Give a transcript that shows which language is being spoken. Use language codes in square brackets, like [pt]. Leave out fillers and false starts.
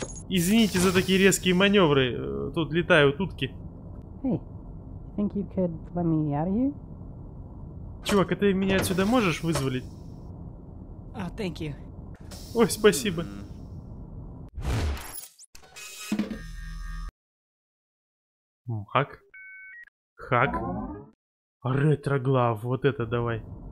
[ru] Извините за такие резкие маневры. Тут летают утки. [en] Think you could let me out of here? [ru] Чувак, а ты меня отсюда можешь вызволить? [en] Oh, thank you. [ru] Ой, спасибо. Мак? Хак? Ретроглав, вот это давай.